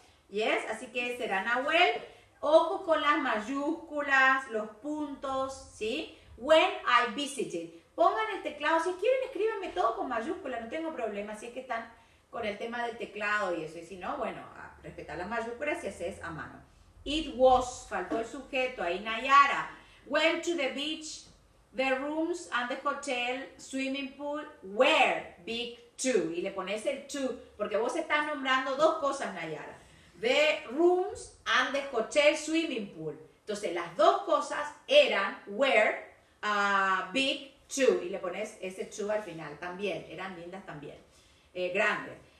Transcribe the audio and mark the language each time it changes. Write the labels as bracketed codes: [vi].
[es] Yes, así que será Nahuel. Ojo con las mayúsculas, los puntos, ¿sí? [en] When I visited. [es] Pongan el teclado. Si quieren, escríbanme todo con mayúsculas. No tengo problema si es que están con el tema del teclado y eso. Y si no, bueno, a respetar las mayúsculas si haces a mano. [en] It was. [es] Faltó el sujeto. Ahí Nayara. [en] Went to the beach, the rooms and the hotel, swimming pool, were big too. [es] Y le pones el too porque vos estás nombrando dos cosas, Nayara. [en] The rooms and the hotel swimming pool. [es] Entonces, las dos cosas eran, [en] were, big, too. [es] Y le pones ese too al final. También, eran lindas también. Grandes.